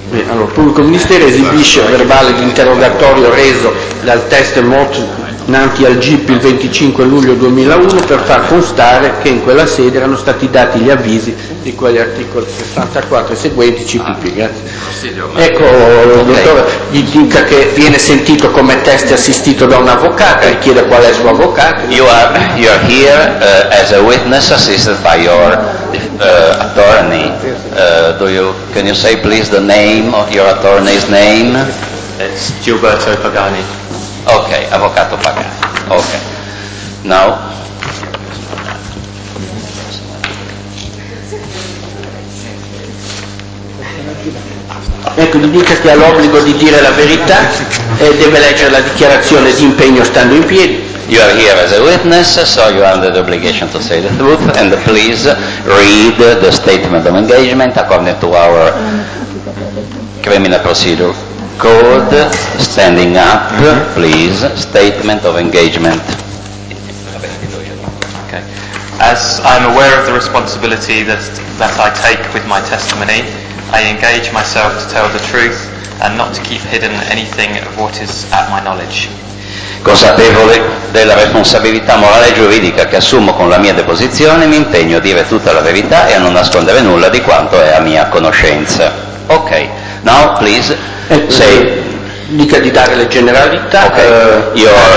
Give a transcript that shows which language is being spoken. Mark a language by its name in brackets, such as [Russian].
[Italian] Allora, il pubblico ministero esibisce il verbale di interrogatorio reso dal test morto davanti al GIP il 25 luglio 2001 per far constare che in quella sede erano stati dati gli avvisi di quegli articoli 64 e seguenti CPP. Ecco, dottore, gli dica che viene sentito come test assistito da un avvocato, gli chiede qual è il suo avvocato. [English] You are here as a witness assisted by your attorney. Can you say please the name of your attorney's name? It's Gilberto Pagani. Okay, Avvocato Pagani. Okay. Now, [Italian] ecco, gli dica che ha l'obbligo di dire la verità e deve leggere la dichiarazione di impegno stando in piedi. [English] You are here as a witness, so you are under the obligation to say the truth, and please read the statement of engagement according to our criminal procedure code, standing up, please, statement of engagement. Okay. As I'm aware of the responsibility that I take with my testimony, I engage myself to tell the truth and not to keep hidden anything of what is at my knowledge. [Italian] Consapevole della responsabilità morale e giuridica che assumo con la mia deposizione, mi impegno a dire tutta la verità e a non nascondere nulla di quanto è a mia conoscenza. [English] Ok, now please say. [Italian] Dica di dare le generalità. [English] Okay.